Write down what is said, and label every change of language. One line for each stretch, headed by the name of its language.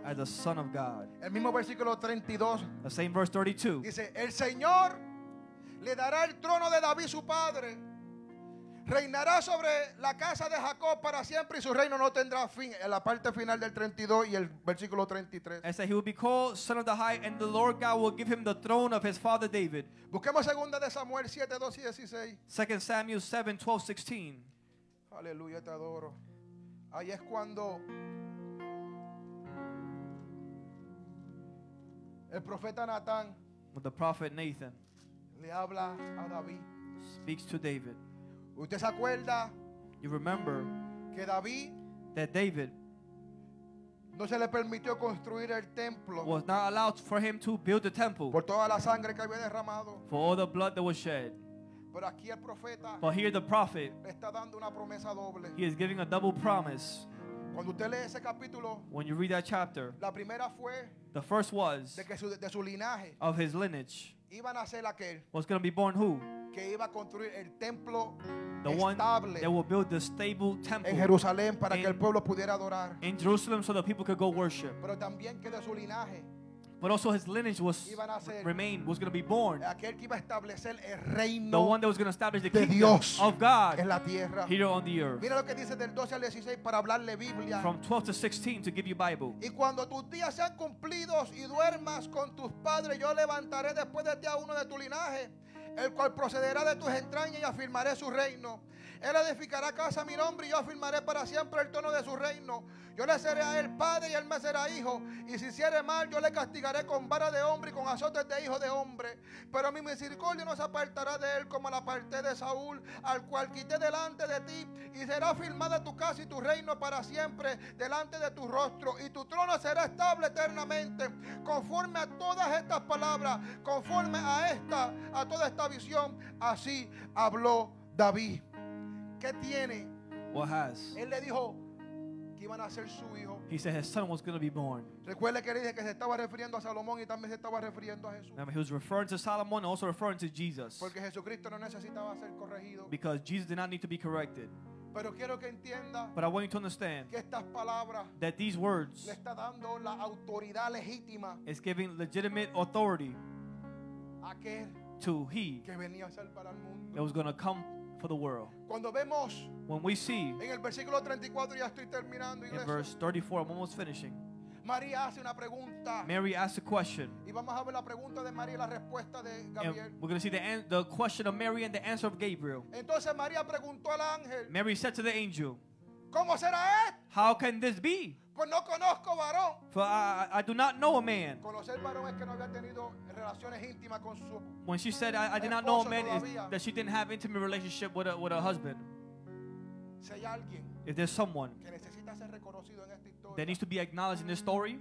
English: As the son of God.
Spanish: El mismo versículo 32,
English: the same verse 32.
Spanish: Dice, el Señor le dará el trono de David su padre. Reinará sobre la casa de Jacob para siempre y su reino no tendrá fin. En la parte final del 32 y el versículo 33.
English: It says he will be called son of the high and the Lord God will give him the throne of his father David.
Spanish: Busquemos segunda de Samuel 7, 2 y 16.
English: 2 Samuel 7, 12, 16.
Spanish: Aleluya, te adoro. Ahí es cuando el profeta Nathan,
English: the prophet Nathan
Spanish: le habla a David.
English: Speaks to David.
Spanish: ¿Usted se acuerda?
English: You remember
Spanish: que David,
English: that David
Spanish: No se le permitió construir el templo.
English: Was not allowed for him to build the temple.
Spanish: Por toda la sangre que había derramado.
English: For all the blood that was shed.
Spanish: Pero aquí el profeta.
English: But here the prophet.
Spanish: Está dando una promesa doble.
English: He is giving a double promise.
Spanish: Cuando usted lee ese capítulo.
English: When you read that chapter.
Spanish: La primera fue.
English: The first was.
Spanish: De que su, de su linaje.
English: Of his lineage.
Spanish: Iba a nacer aquel.
English: Was going to be born who?
Spanish: Que iba a construir el templo.
English: The one
Spanish: estable.
English: That will build the stable temple
Spanish: en Jerusalén para in, que el pueblo pudiera adorar.
English: In Jerusalem so the people could go worship.
Spanish: Pero también que de su linaje.
English: But also his lineage was remained, was going to be born.
Spanish: Aquel que iba a establecer el reino
English: the one that was going to establish the
Spanish: de
English: kingdom
Spanish: Dios
English: of God
Spanish: en la tierra.
English: Here on the earth.
Spanish: Mira lo que dice del 12 al 16 para hablarle Biblia.
English: From 12 to 16 to give you Bible.
Spanish: Y cuando tus días sean cumplidos y duermas con tus padres, yo levantaré después de ti a uno de tu linaje, el cual procederá de tus entrañas y afirmaré su reino. Él edificará casa a mi nombre y yo afirmaré para siempre el trono de su reino. Yo le seré a él padre y él me será hijo. Y si hiciere mal, yo le castigaré con vara de hombre y con azotes de hijo de hombre. Pero mi misericordia no se apartará de él como la aparté de Saúl, al cual quité delante de ti. Y será firmada tu casa y tu reino para siempre delante de tu rostro. Y tu trono será estable eternamente. Conforme a todas estas palabras, conforme a esta, a toda esta visión, así habló David. ¿Qué tiene?
English: What has?
Spanish: Él le dijo que iban a ser su hijo.
English: He said his son was going to be born.
Spanish: Recuerde que le dije que se estaba refiriendo a Salomón y también se estaba refiriendo a Jesús.
English: Now he was referring to Solomon and also referring to Jesus.
Spanish: Porque Jesucristo no necesitaba ser corregido.
English: Because Jesus did not need to be corrected.
Spanish: Pero quiero que entienda.
English: But I want you to understand
Spanish: que estas palabras
English: that these words
Spanish: le está dando la autoridad legítima.
English: Is giving legitimate authority
Spanish: aquel
English: to he
Spanish: que venía a salvar al mundo.
English: That was going to come for the world.
Spanish: Cuando vemos,
English: when we see
Spanish: en el versículo 34, ya estoy terminando,
English: in verse 34 I'm almost finishing.
Spanish: María hace una pregunta,
English: Mary asks a question and we're going to see the question of Mary and the answer of Gabriel.
Spanish: Entonces, María preguntó al ángel,
English: Mary said to the angel,
Spanish: ¿cómo será esto?
English: How can this be?
Spanish: Pues no conozco varón.
English: For I do not know a man.
Spanish: Conocer varón es que no había tenido relaciones íntimas con su.
English: When she said I did not know a man, is that she didn't have intimate relationship with a husband.
Spanish: Si hay alguien,
English: if there's someone
Spanish: que necesita ser reconocido en esta historia,
English: that needs to be acknowledged in this story,